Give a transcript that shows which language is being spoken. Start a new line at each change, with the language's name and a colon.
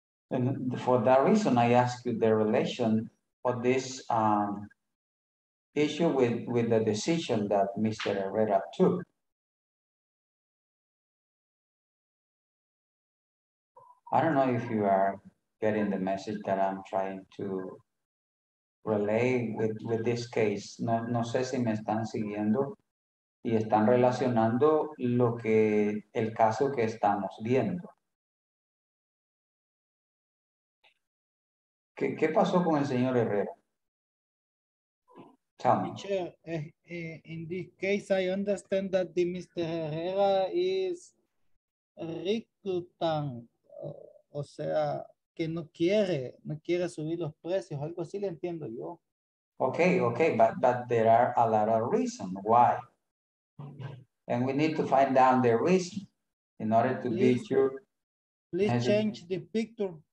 English: And for that reason, I ask you the relation for this issue with the decision that Mr. Herrera took. I don't know if you are getting the message that I'm trying to relay with this case.
Spanish: No sé si me están siguiendo y están relacionando lo que el caso que estamos viendo. ¿Qué pasó con el señor Herrera?
English: Tell me. In this case, I understand that the Mr.
Spanish: Herrera
English: is reluctant,
Spanish: o sea, que no quiere subir los precios, algo así le entiendo yo.
English: Okay, but there are a lot of reasons why. And we need to find out the reason in order to be sure. Please change the picture.